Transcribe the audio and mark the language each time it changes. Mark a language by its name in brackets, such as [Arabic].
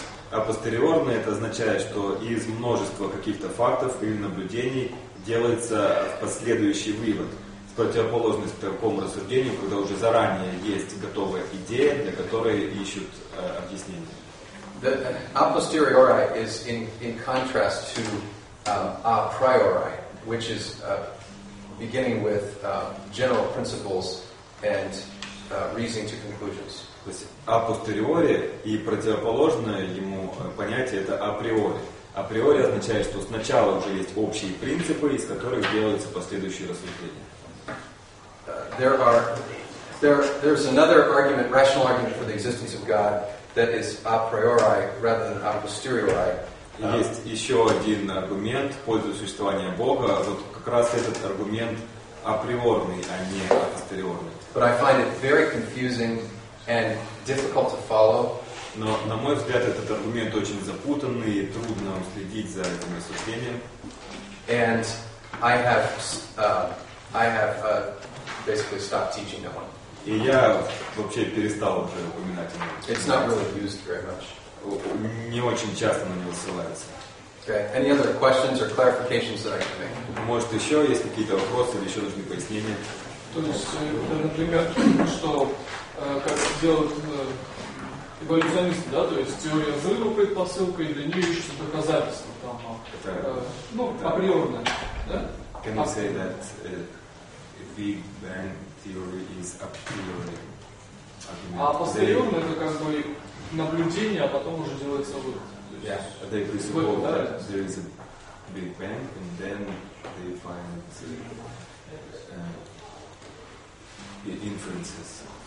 [Russian] А постериорно это означает, что из множества каких-то фактов или наблюдений делается последующий вывод. В противоположность такому рассуждению, когда уже заранее есть готовая идея, для которой ищут объяснение. [English] The a posteriori is in contrast to a priori, which is beginning with general principles and reasoning to conclusions. [Russian] То есть а постериори и противоположное ему понятие это априори. Априори означает, что сначала уже есть общие принципы, из которых делаются последующие рассуждения. [English] There's another argument, rational argument for the existence of God that is a priori rather than a posteriori. [Russian] Есть еще один аргумент в пользу существования Бога. Вот как раз этот аргумент априорный, а не а постериорный. [English] But I find it very confusing and difficult to follow. [Russian] Но, на мой взгляд, этот аргумент очень запутанный, и трудно следить за этим рассуждением. [English] And I have basically stopped teaching that one. [Russian] И я вообще перестал уже упоминать его. [English] It's not really used very much. [Russian] Не очень часто на него ссылается. [English] Okay. Any other questions or clarifications that I can make? [Russian] Может, еще есть какие-то вопросы или еще нужны пояснения? То есть, например, что как делают эволюционисты, да, то есть теория взрыва предпосылка и для нее ищутся доказательства там, априорная, да? [English] Can you say that Big Bang theory is a priori argument? [Russian] А апостериорно это как бы наблюдение, а потом уже делается вывод. [English] Yeah, they presuppose that there is a Big Bang and then they find inferences.